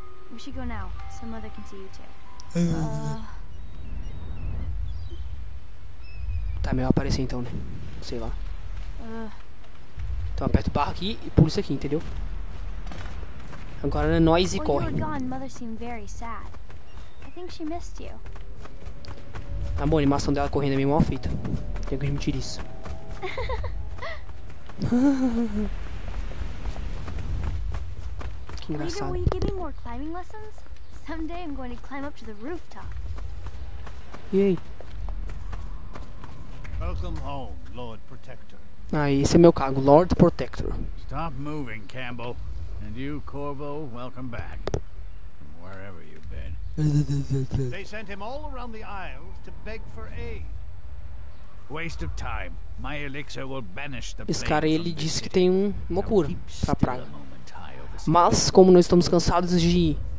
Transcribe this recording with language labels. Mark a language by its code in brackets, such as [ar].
[en] We should go now, so mother can see you too. [pt] Tá melhor aparecer então, né? Sei lá. Então aperto barra aqui e pulo isso aqui, entendeu? Agora é nóis e corre. [en] Well, you were gone. Mother seemed very sad. I think she missed you. [pt] Tá bom, a animação dela correndo é meio mal feita. Tenho que admitir isso. Que engraçado. [en] Will you give me more climbing lessons? Someday I'm going to climb up to the rooftop. [pt] E aí? [en] Welcome home, Lord Protector. [pt] Aí, esse é meu cargo, Lord Protector. [en] Stop moving, Campbell. And you, Corvo, welcome back. Wherever you've been. They sent him all around the Isles to beg for aid. Waste of time. My elixir will banish the plague. [pt] Esse cara, ele disse que tem uma cura pra praga. Mas, como nós estamos cansados de...